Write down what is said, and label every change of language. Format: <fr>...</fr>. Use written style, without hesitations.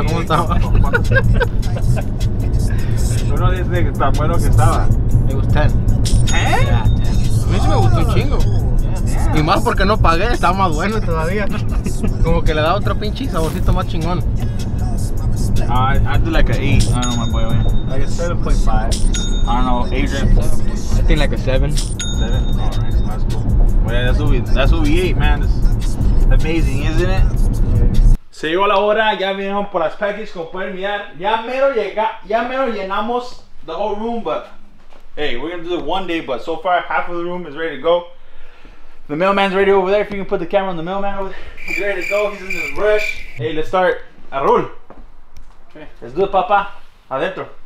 <es>Wey. ¿Cómo estaba? Uno dice que tan bueno que estaba. Me gustó. ¿Eh? Yeah. A mí sí me gustó un chingo.</es> <en>Yeah.</en> <es>Y más porque no pagué, estaba más bueno todavía. Como que le da otro pinche saborcito más chingón.</es> <en>Yeah. I do like an 8. I don't know, my boy. Like a 7.5. I don't know, Adrian. I think like a 7. 7? Alright, that's cool. Well, yeah, that's what we ate, man. It's amazing, isn't it?</en> <es>Se llegó la hora, ya vinieron por las packages, como pueden mirar. Ya mero llenamos</es> <en>the whole room, but hey, we're gonna do it one day, but so far half of the room is ready to go. The mailman's ready over there. If you can put the camera on the mailman over there. He's ready to go. He's in his rush. Hey, let's start. Arul. Okay. Let's do it, papa. Adentro.</en>